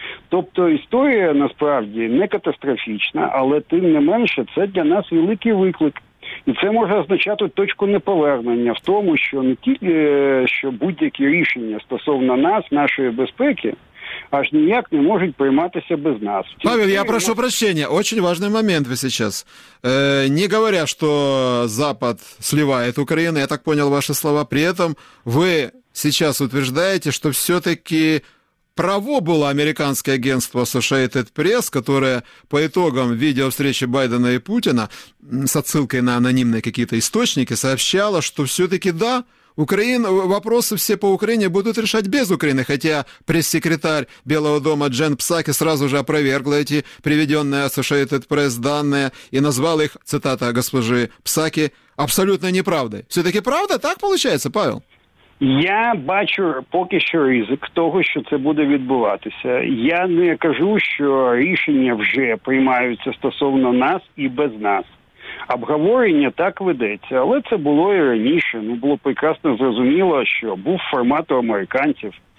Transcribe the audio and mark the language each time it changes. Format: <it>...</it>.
<uk>Тобто історія насправді не катастрофічна, але тим не менше це для нас великий виклик. І це може означати точку неповернення в тому, що не тільки що будь-які рішення стосовно нас, нашої безпеки, аж ніяк не можуть прийматися без нас.</uk> <ru>Павел, я прошу прощения, очень важный момент вы сейчас. Не говоря, что Запад сливает Украину, я так понял ваши слова, при этом вы сейчас утверждаете, что все-таки право было американское агентство Associated Press, которое по итогам видеовстречи Байдена и Путина с отсылкой на анонимные какие-то источники сообщало, что все-таки да, Украина, вопросы все по Украине будут решать без Украины, хотя пресс-секретарь Белого дома Джен Псаки сразу же опровергла эти приведенные Associated Press данные и назвала их, цитата госпожи Псаки, абсолютно неправдой. Все-таки правда? Так получается, Павел?</ru> <uk>Я бачу поки що ризик того, що це буде відбуватися. Я не кажу, що рішення вже приймаються стосовно нас і без нас. Обговорення так ведеться, але це було і раніше. Ну, було прекрасно зрозуміло, що був формат у американців.</uk>